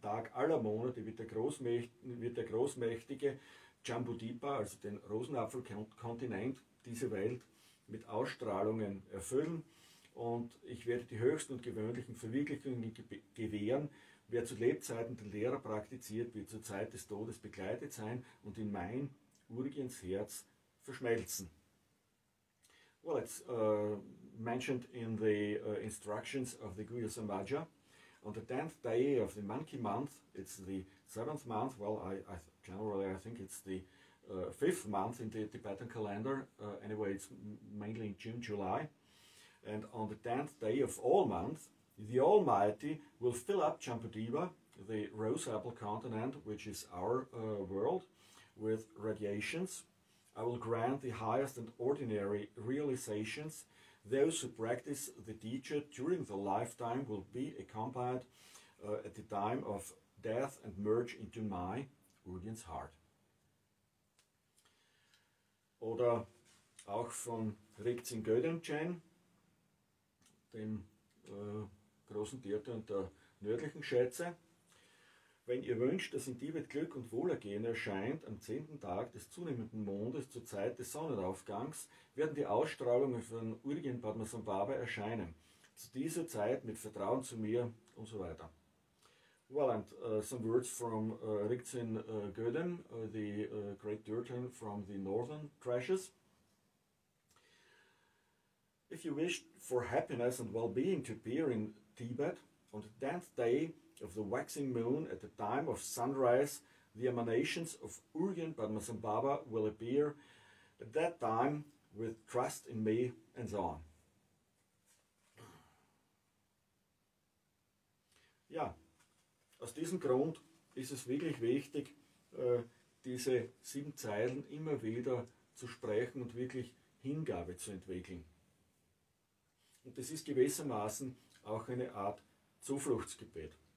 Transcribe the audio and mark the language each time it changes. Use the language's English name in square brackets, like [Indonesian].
[German] Tag aller Monate wird der Großmächtige Jambudipa, also den Rosenapfelkontinent, diese Welt mit Ausstrahlungen erfüllen. Und ich werde die höchsten und gewöhnlichen Verwirklichungen gewähren. Wer zu Lebzeiten den Lehrer praktiziert, wird zur Zeit des Todes begleitet sein und in mein Urgens Herz verschmelzen. [English] Well, it's mentioned in the instructions of the Guhya Samaja. On the 10th day of the monkey month, it's the 7th month, well, I think it's the 5th month in the Tibetan calendar. Anyway, it's mainly in June, July. And on the 10th day of all month, the Almighty will fill up Jambudipa, the rose apple continent, which is our world, with radiations. I will grant the highest and ordinary realizations. Those who practice the teacher during the lifetime will be accompanied at the time of death and merge into my Urgyen's heart. [German] Oder auch von Rikzin Gödenchen, dem großen Tirtha und der nördlichen Schätze. Wenn ihr wünscht, dass in Tibet Glück und Wohlergehen erscheint, am 10. Tag des zunehmenden Mondes zur Zeit des Sonnenaufgangs werden die Ausstrahlungen von Urgyen Padmasambhava erscheinen. Zu dieser Zeit mit Vertrauen zu mir und so weiter. [English] Well, and some words from Rikzin Gödem, the great Tirthan from the northern treasures. If you wish for happiness and well-being to appear in Tibet, on the 10th day of the waxing moon at the time of sunrise, the emanations of Urgyen Padmasambhava will appear at that time with trust in me, and so on. [German] Ja, aus diesem Grund ist es wirklich wichtig, diese sieben Zeilen immer wieder zu sprechen und wirklich Hingabe zu entwickeln. Und das ist gewissermaßen auch eine Art Zufluchtsgebet.